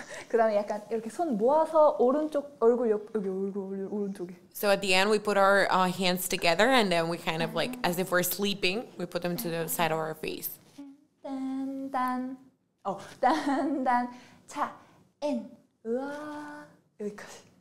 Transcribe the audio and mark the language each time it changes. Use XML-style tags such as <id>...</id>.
<ko>그 다음에 약간 이렇게 손 모아서 오른쪽 얼굴 옆 여기 얼굴 오른쪽에.</ko> <en>So at the end we put our hands together and then we kind of like as if we're sleeping we put them to the side of our face. 단단 어 단단 차 엔 우와 여기까지.</en>